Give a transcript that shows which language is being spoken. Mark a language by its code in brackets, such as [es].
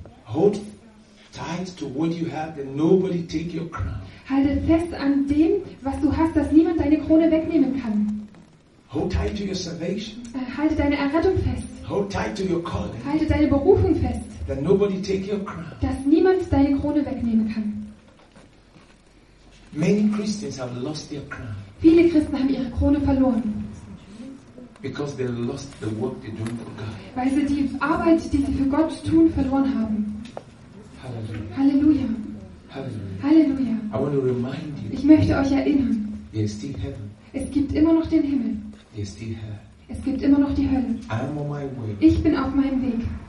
[en] Hold tight to what you have, that nobody take your crown. [de] Halte fest an dem, was du hast, dass niemand deine Krone wegnehmen kann. [en] Hold tight to your salvation. [de] Halte deine Errettung fest. [en] Hold tight to your calling. [de] Halte deine Berufung fest. [en] That nobody take your crown. [de] Dass niemand deine Krone wegnehmen kann. [en] Many Christians have lost their crown. [de] Viele Christen haben ihre Krone verloren. [en] Because they lost the work they do for God. [de] Weil sie die Arbeit, die sie für Gott tun, verloren haben. [en] Hallelujah. [de] Halleluja. [en] I want to remind you. [de] Ich möchte euch erinnern. [en] There is still heaven. [de] Es gibt immer noch den Himmel. [en] There is still hell. [de] Es gibt immer noch die Hölle. [en] I'm on my way. [de] Ich bin auf meinem Weg.